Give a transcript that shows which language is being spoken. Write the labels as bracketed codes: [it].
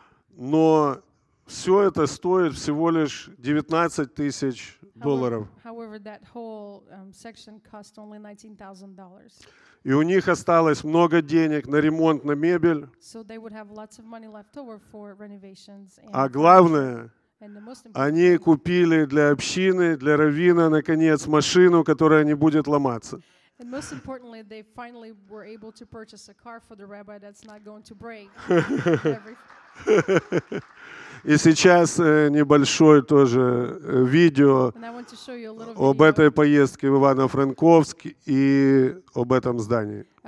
[ru] Но все это стоит всего лишь 19 тысяч долларов. [en] However, that whole section cost only $19,000. [ru] И у них осталось много денег на ремонт, на мебель. [en] So they would have lots of money left over for renovations. [ru] А главное, они купили для общины, для раввина, наконец, машину, которая не будет ломаться. И сейчас небольшое тоже видео об этой поездке в Ивано-Франковск и об этом здании.